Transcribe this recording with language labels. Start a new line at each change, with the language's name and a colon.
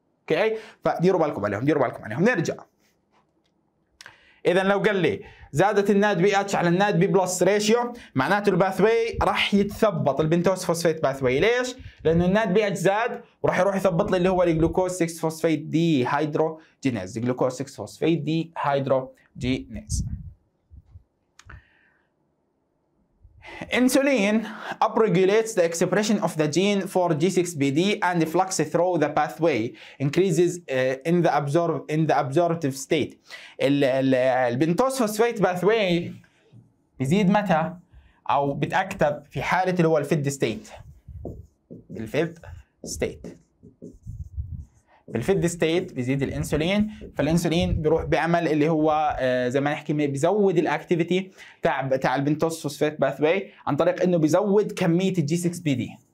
Arabic: اوكي فديروا بالكم عليهم، ديروا بالكم عليهم. نرجع، اذا لو قال لي زادت الناد بي اتش على الناد بي بلس ريشيو، معناته الباثوي راح يتثبط البنتوس فوسفيت باثوي. ليش؟ لانه الناد بي اتش زاد وراح يروح يثبط لي اللي هو الجلوكوز 6 فوسفيت دي هيدروجينيز، جلوكوز 6 فوسفيت دي هيدروجينيز.
English: Insulin upregulates the expression of the gene for G6PD and flux through the pathway increases in the absorptive state.
Arabic: البنتوس فوسفيت باثوي بيزيد متى او بتاكتف في حاله اللي هو الفيد ستيت. الفيد ستيت، بالفيد ستيت بيزيد الانسولين، فالانسولين بيروح بيعمل اللي هو زي ما نحكي بيزود الاكتيفيتي تاع البنتوس فوسفيت باثوي عن طريق انه بيزود كميه الجي 6 بي دي.